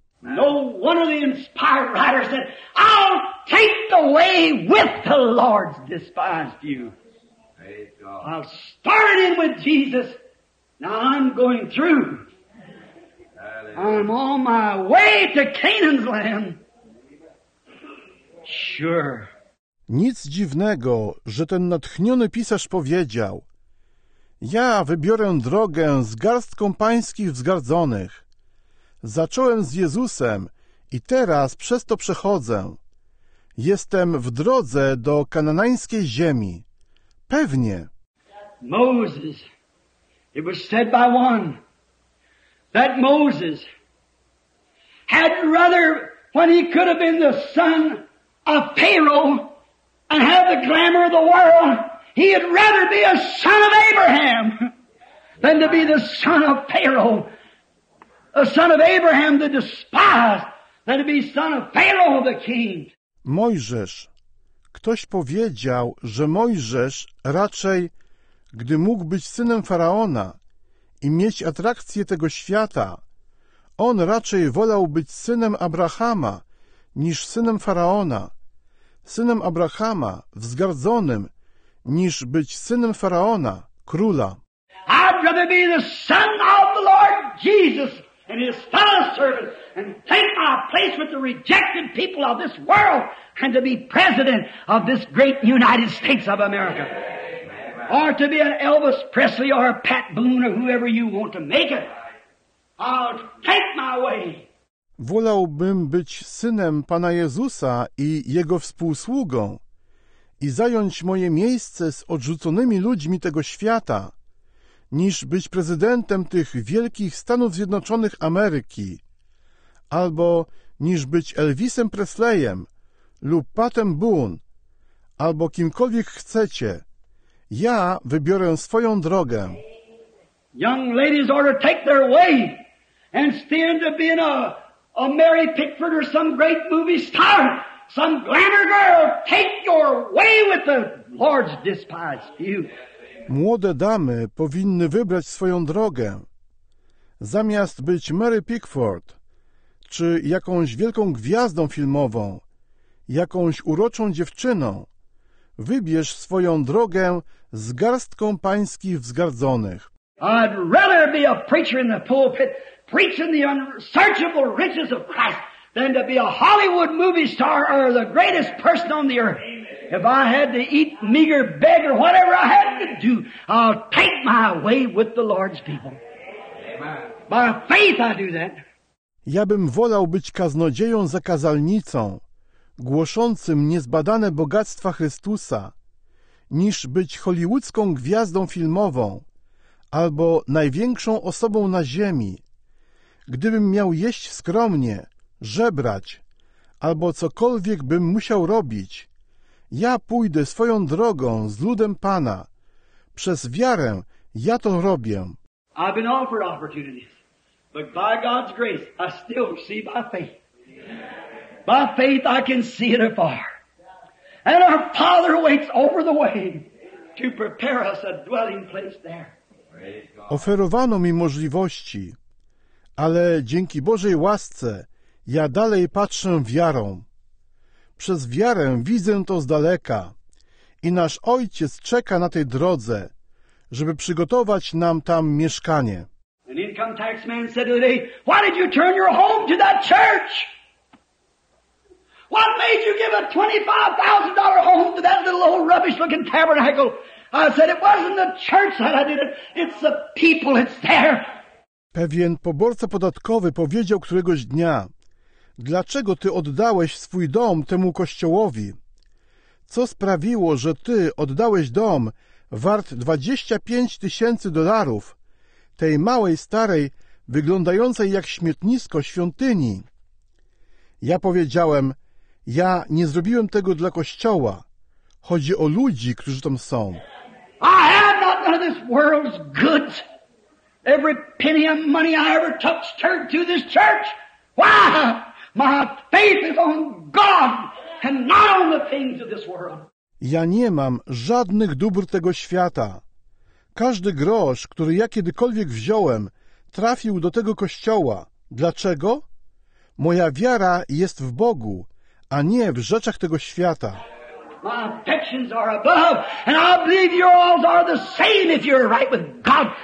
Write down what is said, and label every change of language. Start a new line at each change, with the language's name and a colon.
English: No one of the inspired writers said, I'll take the way with the Lord's despised you. I've started in with Jesus. Now I'm going through. I'm on my way to Canaan's land. Sure.
Polish: Nic dziwnego, że ten natchniony pisarz powiedział, ja wybiorę drogę z garstką pańskich wzgardzonych. Zacząłem z Jezusem i teraz przez to przechodzę. Jestem w drodze do kananańskiej ziemi. Pewnie.
English: Moses, it was said by one, that Moses had rather, when he could have been the son of Pharaoh and had the glamour of the world, he had rather be a son of Abraham than to be the son of Pharaoh. The son of Abraham, the despised, than to be son of Pharaoh, the king.
Polish: Mojżesz. Ktoś powiedział, że Mojżesz raczej, gdy mógł być synem Faraona i mieć atrakcję tego świata, on raczej wolał być synem Abrahama niż synem Faraona. Synem Abrahama, wzgardzonym, niż być synem Faraona, króla.
English: I'd rather be the son of the Lord Jesus and his fellow servant and take my place with the rejected people of this world and to be president of this great United States of America. Amen. Or to be an Elvis Presley or a Pat Boone or whoever you want to make it. I'll take my way.
Polish: Wolałbym być synem Pana Jezusa i jego współsługą i zająć moje miejsce z odrzuconymi ludźmi tego świata, niż być prezydentem tych wielkich Stanów Zjednoczonych Ameryki, albo niż być Elvisem Presleyem lub Patem Boone, albo kimkolwiek chcecie. Ja wybiorę swoją drogę.
English: Young ladies ought to take their way and stand to being a Mary Pickford or some great movie star. Some glamour girl, take your way with the Lord's despised few.
Polish: Młode damy powinny wybrać swoją drogę. Zamiast być Mary Pickford, czy jakąś wielką gwiazdą filmową, jakąś uroczą dziewczyną, wybierz swoją drogę z garstką pańskich wzgardzonych.
English: I'd rather be a preacher in the pulpit, preaching the unsearchable riches of Christ than to be a Hollywood movie star or the greatest person on the earth. If I had to eat meager, beg, or whatever I had to do, I'll take my way with the Lord's people. By faith I do that.
Polish: Ja bym wolał być kaznodzieją za kazalnicą, głoszącym niezbadane bogactwa Chrystusa, niż być hollywoodzką gwiazdą filmową albo największą osobą na ziemi. Gdybym miał jeść skromnie, żebrać albo cokolwiek bym musiał robić, ja pójdę swoją drogą z ludem Pana. Przez wiarę ja to robię.
English: I've been offered opportunities, but by God's grace, I still see by faith. By faith, I can see it afar. And our Father waits over the way to prepare us a dwelling place there.
Polish: Oferowano mi możliwości, ale dzięki Bożej łasce ja dalej patrzę wiarą. Przez wiarę widzę to z daleka i nasz Ojciec czeka na tej drodze, żeby przygotować nam tam mieszkanie.
English: An income tax man said today, why did you turn your home to that church? What made you give a $25,000 home to that little old rubbish looking tabernacle? I said, it wasn't the church that I did it, it's the people, it's there.
Polish: Pewien poborca podatkowy powiedział któregoś dnia, dlaczego ty oddałeś swój dom temu kościołowi? Co sprawiło, że ty oddałeś dom wart 25 tysięcy dolarów tej małej, starej, wyglądającej jak śmietnisko świątyni? Ja powiedziałem, ja nie zrobiłem tego dla kościoła. Chodzi o ludzi, którzy tam są.
English: I have not none of this world's goods. Every penny of money I ever took turned to this church. Why? My faith is on God and not on the things of this world.
Polish: Ja nie mam żadnych dóbr tego świata. Każdy grosz, który ja kiedykolwiek wziąłem, trafił do tego kościoła. Dlaczego? Moja wiara jest w Bogu, a nie w rzeczach tego świata.
English: My affections are above, and I believe yours are the same if you're right with God.